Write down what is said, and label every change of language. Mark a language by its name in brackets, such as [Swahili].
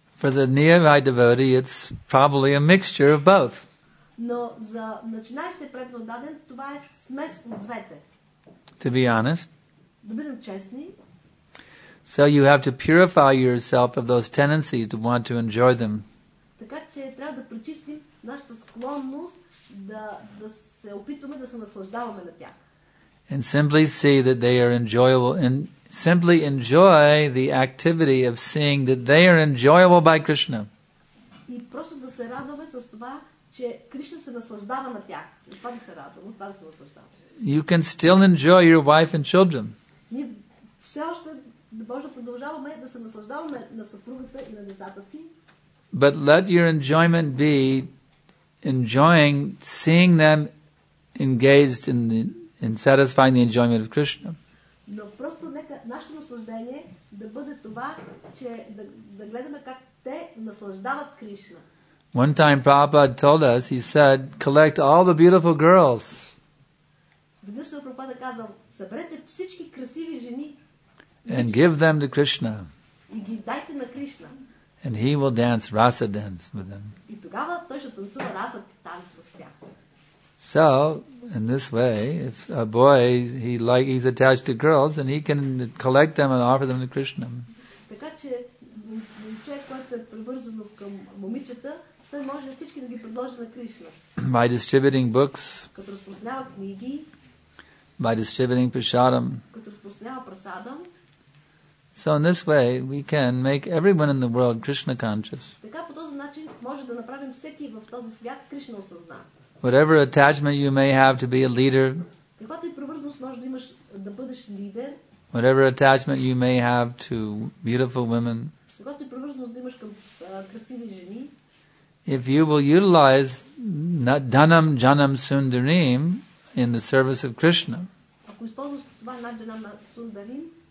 [English] For the nearby devotee, it's probably a mixture of both. [Bulgarian] Но за начинаещите предводаден, това е смес от двете. [English] To be honest. [Bulgarian] Да бъдем честни. [English] So you have to purify yourself of those tendencies to want to enjoy them. [Bulgarian] Така че трябва да прочистим нашата склонност да се опитваме да се наслаждаваме на тях. [English] And simply see that they are enjoyable and simply enjoy the activity of seeing that they are enjoyable by Krishna. [Bulgarian] И просто да се радваме с това, че Кришна се наслаждава на тях. Това да се радваме, това да се наслаждаваме. [English] You can still enjoy your wife and children. [Bulgarian] Ние все още може да продължаваме да се наслаждаваме на съпругата и на децата си. [English] But let your enjoyment be enjoying seeing them engaged in satisfying the enjoyment of Krishna. [Bulgarian] Но просто нека нашето наслаждение да бъде това, че да гледаме как те наслаждават Кришна. [English] One time Prabhupada told us, he said, collect all the beautiful girls. [Bulgarian] Веднъж Прабхупада казал, съберете всички красиви жени [English] and give them to Krishna. [Bulgarian] И ги дайте на Кришна. [English] And he will dance rasa dance with them. [Bulgarian] И тогава той ще танцува раса танц с тях. [English] So, in this way, if a boy he's attached to girls, then he can collect them and offer them to Krishna. [Bulgarian] Така че момиче, който е привързан към момичета, той може всички да ги предложи на Кришна. [English] By distributing books. [Bulgarian] Като разпространява книги. [English] By distributing prasadam. [Bulgarian] Като разпространява прасадам. [English] So in this way, we can make everyone in the world Krishna conscious. [Bulgarian] Така по този начин може да направим всеки в този свят Кришна осъзнат. [English] Whatever attachment you may have to be a leader. [Bulgarian] Каквато и привързаност може да имаш да бъдеш лидер. [English] Whatever attachment you may have to beautiful women. [Bulgarian] Каквато и привързаност да имаш към красиви жени. [English] If you will utilize [Sanskrit] dhanam janam sundarim [English] in the service of Krishna. [Bulgarian] Ако използваш това наджанам сундарим,